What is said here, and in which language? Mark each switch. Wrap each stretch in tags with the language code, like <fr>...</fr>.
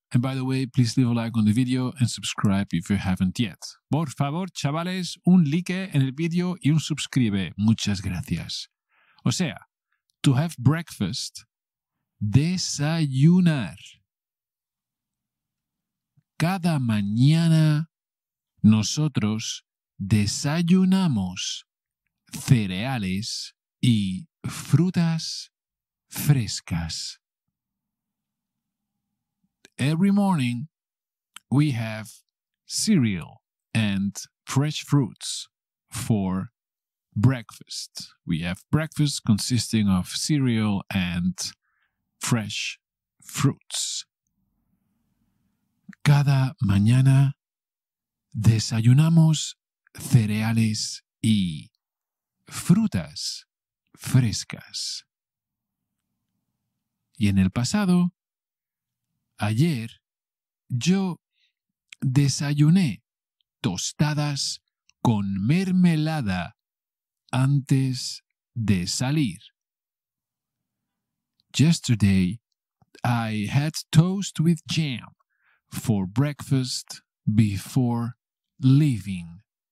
<en>And by the way, please leave a like on the video and subscribe if you haven't yet.</en> <es>Por favor, chavales, un like en el video y un suscribe. Muchas gracias. O sea,</es> <en>to have breakfast.</en> <es>Desayunar. Cada mañana nosotros desayunamos cereales y frutas frescas.</es> <en>Every morning we have cereal and fresh fruits for breakfast. We have breakfast consisting of cereal and fresh fruits.</en> <es>Cada mañana desayunamos cereales y frutas frescas. Y en el pasado, ayer, yo desayuné tostadas con mermelada antes de salir.</es> <en>Yesterday, I had toast with jam for breakfast before leaving.</en>